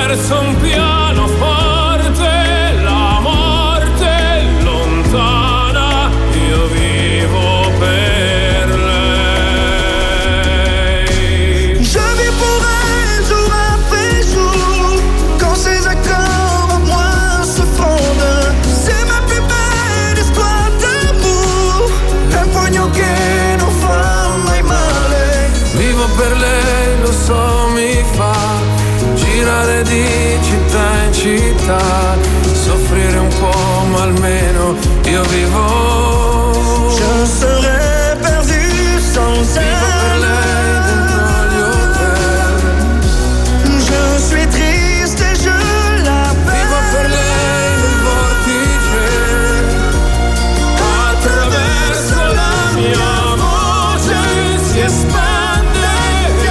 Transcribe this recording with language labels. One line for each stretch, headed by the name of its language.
Italian: Un piano forte, la morte lontana, io vivo per lei.
French: Je vis pour elle jour après jour, quand ses accords en moi se fondent, c'est ma plus belle histoire d'amour,
Italian: un pugno che non fa mai male. Vivo per lei, lo so, mi fa girare di città in città, soffrire un po', ma almeno io vivo.
French: Je serai perdu sans elle.
Italian: Vivo per lei dentro gli hotel.
French: Je suis triste et je la perds.
Italian: Vivo per lei nel vortice, attraverso la mia voce si espande.